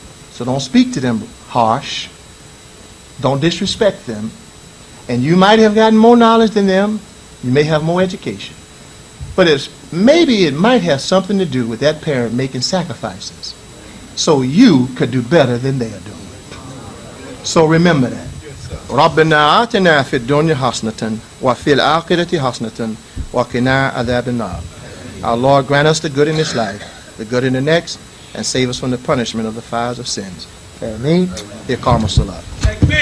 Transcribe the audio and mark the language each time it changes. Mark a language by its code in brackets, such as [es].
[en] So don't speak to them harsh. Don't disrespect them. And you might have gotten more knowledge than them. You may have more education. But it might have something to do with that parent making sacrifices so you could do better than they are doing. So remember that. [ar] ربنا آتنا في الدنيا حسنة وفي الآخرة حسنة وقنا عذاب النار. [en] Our Lord, grant us the good in this life, the good in the next, and save us from the punishment of the fires of sins. Amen. Hear karma salat. Take